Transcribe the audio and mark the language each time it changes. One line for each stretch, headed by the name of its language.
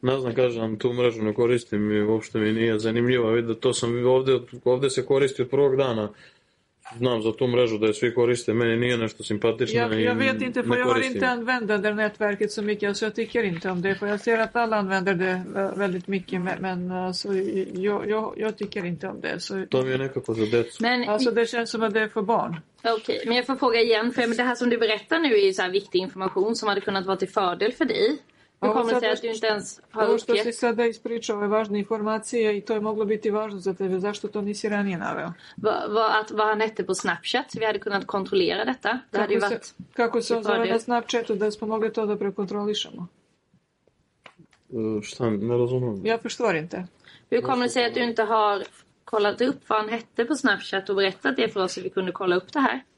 Serbian: Ne znam, kažem, tu mrežu ne koristim i uopšte mi nije zanimljivo. Vidite, to sam ovdje se koristio od prvog dana. Znam za tu mrežu da je svi koriste. Meni nije nešto simpatično i ne koristim.
Swedish: Ja vet inte, pa jag har inte använder det nätverket så mycket. Alltså jag tycker inte om det. För jag ser att alla använder det väldigt mycket. Men alltså, jag tycker inte om det. Så... De är nekako så det. Men... Alltså det känns som att det är för barn. Okej, men jag får fråga igen. För det här som du berättar nu är ju så här viktig information som hade kunnat vara till fördel för dig. Hur kommer det sig att du inte ens har uppgett?
Serbian: Ovo što si sada ispričao är važna informacija i to je moglo biti važno za tebe. Zašto to nisi ranije naveo?
Swedish: Vad han hette på Snapchat? Vi hade kunnat kontrollera detta. Det
Serbian: kako se on zove na Snapchatu da smo mogli to da prekontrolišemo? Šta, ne razumem.
Swedish: Ja förstår inte. Hur kommer det sig att du inte har... kollat upp vad han hette på Snapchat och berättat det för oss så vi kunde kolla upp det här.